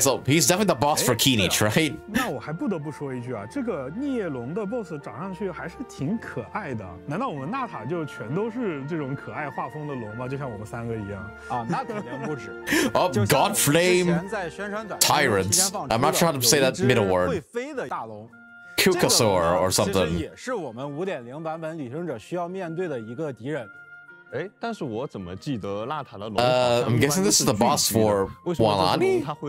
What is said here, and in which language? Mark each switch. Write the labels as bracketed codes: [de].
[en] so he's definitely the boss for Kinich, right? [zh] 那我还不得不说一句啊，这个孽龙的 boss 长上去还是挺可爱的。难道我们纳塔就全都是这种可爱画风的龙吗？就像我们三个一样。啊，那肯定不止。 [en] Oh, Godflame, Tyrant. I'm not trying to say that middle word. [zh] 会飞的大龙。 [en] Cucasaur or something. [zh] 这个也是我们 5.0 版本旅行者需要面对的一个敌人。 [en] I'm guessing this is the boss for Mualani?